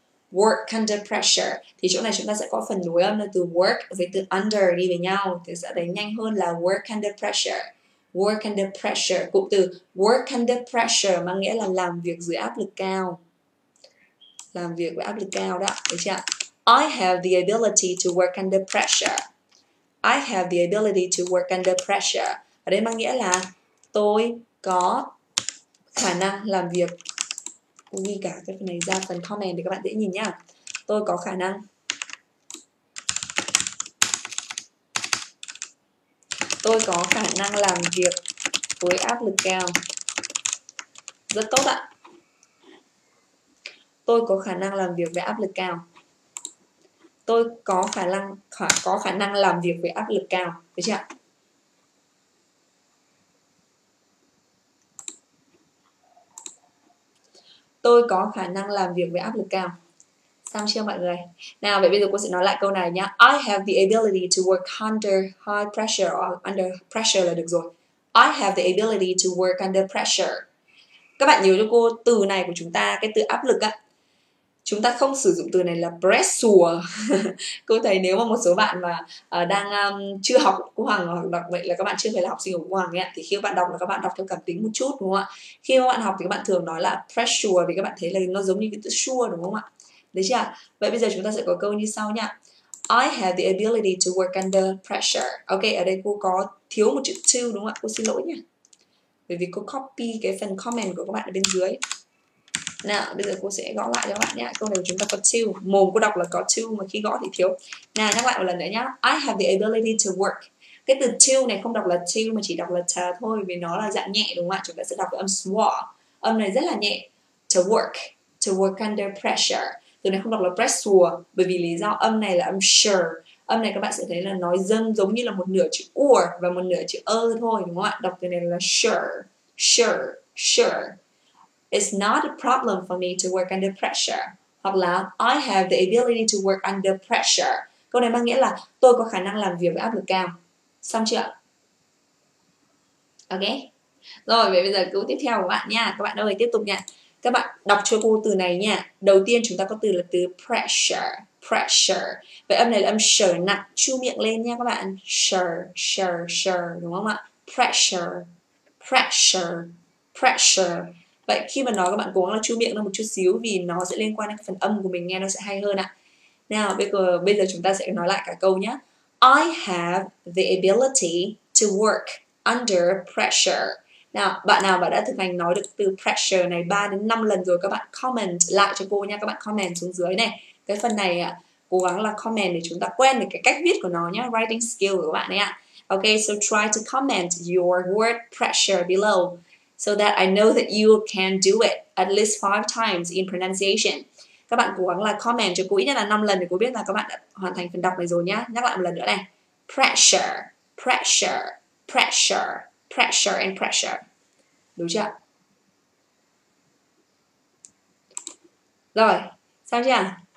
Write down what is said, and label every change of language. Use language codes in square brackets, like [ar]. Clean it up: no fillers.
[en] Work under pressure. [vi] Thì chỗ này chúng ta sẽ có phần nối âm là từ work với từ under đi với nhau, thì sẽ thấy nhanh hơn là [en] work under pressure. Work under pressure, [vi] cụm từ [en] work under pressure [vi] mang nghĩa là làm việc dưới áp lực cao. Làm việc với áp lực cao đó, được chưa? [en] I have the ability to work under pressure. I have the ability to work under pressure. [vi] Ở đây mang nghĩa là tôi có khả năng làm việc. Cô ghi cả cái phần này ra phần comment để các bạn dễ nhìn nhá. Tôi có khả năng. Tôi có khả năng làm việc với áp lực cao. Rất tốt ạ. Tôi có khả năng làm việc với áp lực cao. Tôi có khả năng làm việc với áp lực cao. Được chưa? Tôi có khả năng làm việc với áp lực cao. Xong chưa mọi người? Nào, vậy bây giờ cô sẽ nói lại câu này nhá. [en] I have the ability to work under high pressure or under pressure [vi] là được rồi. [en] I have the ability to work under pressure. [vi] Các bạn nhớ cho cô từ này của chúng ta, cái từ áp lực á. Chúng ta không sử dụng từ này là pressure. Cô thấy nếu mà một số bạn mà đang chưa học Cô Hoàng hoặc đọc vậy là các bạn chưa phải là học sinh của Cô Hoàng ấy, thì khi các bạn đọc là các bạn đọc theo cảm tính một chút đúng không ạ? Khi các bạn học thì các bạn thường nói là pressure vì các bạn thấy là nó giống như cái từ sure đúng không ạ? Được chưa? Vậy bây giờ chúng ta sẽ có câu như sau nha. [en] I have the ability to work under pressure. [vi] Ok, ở đây cô có thiếu một chữ to đúng không ạ? Cô xin lỗi nha. Bởi vì cô copy cái phần comment của các bạn ở bên dưới. Nào, bây giờ cô sẽ gõ lại cho các bạn nhé. Câu này chúng ta có to. Mồm cô đọc là có to, mà khi gõ thì thiếu. Nào, nhắc lại một lần nữa nhé. [en] I have the ability to work. [vi] Cái từ to này không đọc là to, mà chỉ đọc là to thôi. Vì nó là dạng nhẹ đúng không ạ? Chúng ta sẽ đọc cái âm swa. Âm này rất là nhẹ. [en] To work under pressure. [vi] Từ này không đọc là pressure. Bởi vì lý do âm này là âm sure. Âm này các bạn sẽ thấy là nói dâng giống như là một nửa chữ or và một nửa chữ thôi đúng không ạ? Đọc từ này là sure. [en] It's not a problem for me to work under pressure. [vi] Hoặc là [en] I have the ability to work under pressure. [vi] Câu này mang nghĩa là tôi có khả năng làm việc với áp lực cao. Xong chưa? Ok. Rồi, vậy bây giờ câu tiếp theo của bạn nha. Các bạn ơi, tiếp tục nha. Các bạn đọc cho cô từ này nha. Đầu tiên chúng ta có từ là từ pressure. Vậy âm này là âm sure nặng. Chu miệng lên nha các bạn. Sure. Đúng không ạ? Pressure. Vậy khi mà nói các bạn cố gắng là chu miệng nó một chút xíu vì nó sẽ liên quan đến phần âm của mình nghe nó sẽ hay hơn ạ. Nào, bây giờ chúng ta sẽ nói lại cả câu nhé. I have the ability to work under pressure. Nào, bạn đã thực hành nói được từ pressure này 3 đến 5 lần rồi các bạn comment lại cho cô nha. Các bạn comment xuống dưới này. Cái phần này ạ, cố gắng là comment để chúng ta quen được cái cách viết của nó nhé. Writing skill của các bạn ấy ạ. [en] Ok, so try to comment your word pressure below. So that I know that you can do it at least 5 times in pronunciation. [vi] Các bạn cố gắng là comment cho cô ít nhất là 5 lần để cô biết là các bạn đã hoàn thành phần đọc này rồi nhá. Nhắc lại một lần nữa này. Pressure. Đúng chưa? Rồi, xong chưa?